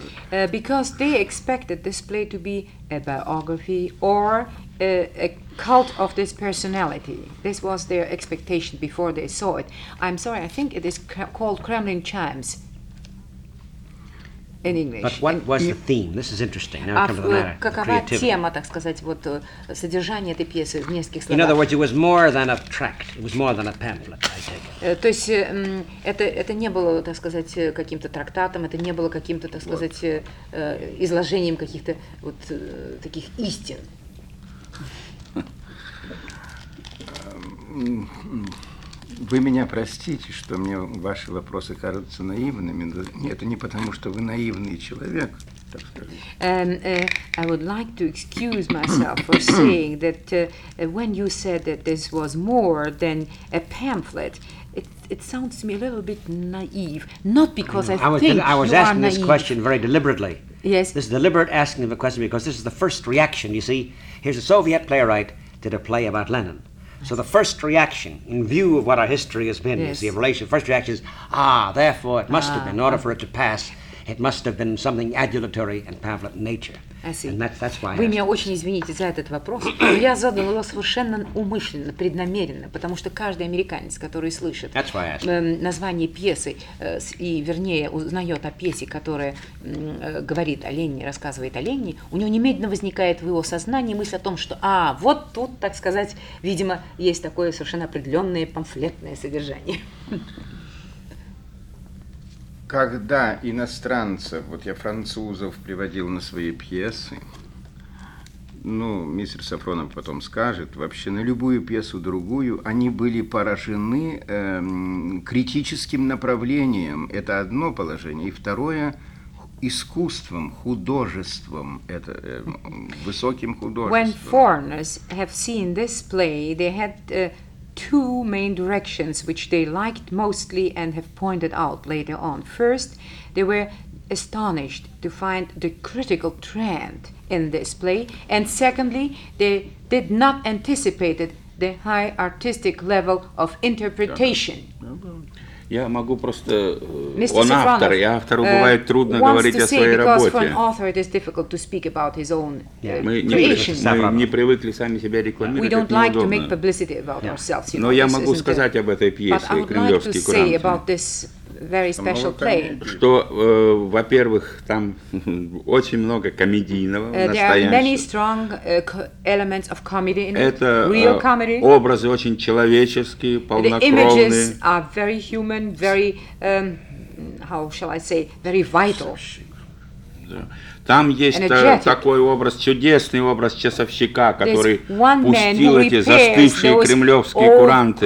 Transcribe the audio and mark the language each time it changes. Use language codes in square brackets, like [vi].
[en] Because they expected this play to be a biography or a cult of this personality. This was their expectation before they saw it. I'm sorry, I think it is called Kremlin Chimes in English. But what was the theme? This is interesting. Now come to the matter. [ru] Какова тема, так сказать, вот содержание этой пьесы в нескольких словах? [en] In other words, it was more than a tract. It was more than a pamphlet, I take it. [ru] То есть это не было, так сказать, каким-то трактатом, это не было каким-то, так сказать, изложением каких-то вот таких истин. Вы меня простите, что мне ваши вопросы кажутся наивными. Нет, это не потому, что вы наивный человек, так скажем. [en] I would like to excuse myself for saying that when you said that this was more than a pamphlet, it sounds to me a little bit naive. Not because I think you are naive. I was asking this naive question very deliberately. Yes. This is deliberate asking of a question because this is the first reaction. You see, here's a Soviet playwright did a play about Lenin. So the first reaction, in view of what our history has been, yes, is the relation. First reaction is, therefore it must have been. In order for it to pass, it must have been something adulatory and pamphlet in nature. I see. And that's why. [ru] Вы меня очень извините за этот вопрос, но я задал его совершенно умышленно, преднамеренно, потому что каждый американец, который слышит название пьесы и, вернее, узнает о пьесе, которая говорит о Ленине, рассказывает о Ленине, у него немедленно возникает в его сознании мысль о том, что вот тут, так сказать, видимо, есть такое совершенно определенное памфлетное содержание. Когда иностранцев, вот я французов приводил на свои пьесы, ну, мистер Сафронов потом скажет, вообще на любую пьесу другую, они были поражены критическим направлением. Это одно положение. И второе – искусством, художеством, это высоким художеством. [en] When foreigners have seen this play, they had two main directions which they liked mostly and have pointed out later on. First, they were astonished to find the critical trend in this play, and secondly, they did not anticipate the high artistic level of interpretation. [ru] Я могу просто... Он автор, и автору бывает трудно говорить о своей работе. [en] For an author it is difficult to speak about his own creation. [ru] Мы не привыкли сами себя рекламировать, это неудобно. [en] We don't like to make publicity about ourselves. [ru] Но я могу сказать об этой пьесе, «Кремлёвские куранты». [en] But I would like to say about this very special play. [ru] Что, во-первых, там очень много комедийного. [en] There are many strong elements of comedy in [ru] это, [en] real comedy. [ru] Образы очень человеческие, полнокровные. [en] The images are very human, very, how shall I say, very vital. [ru] Там есть такой образ, чудесный образ часовщика, который пустил эти застывшие кремлевские куранты.